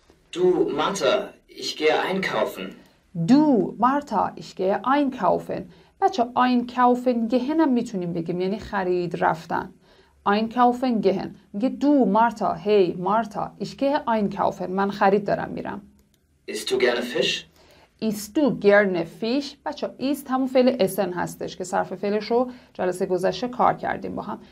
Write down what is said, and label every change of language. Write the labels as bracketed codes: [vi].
[de] Du Marta, ich gehe einkaufen. Du Marta, ich gehe einkaufen. [fa] بچه [de] einkaufen gehen [fa] هم میتونیم بگیم یعنی خرید رفتن. [de] Einkaufen gehen. [fa] میگه [de] du Marta, hey Marta, ich gehe einkaufen. [fa] من خرید دارم میرم. [de] Isst du gerne Fisch? Isst du gerne Fisch? [fa] بچه ایست همون فعل اسن هستش که صرف فعلش رو جلسه گذشته کار کردیم با هم.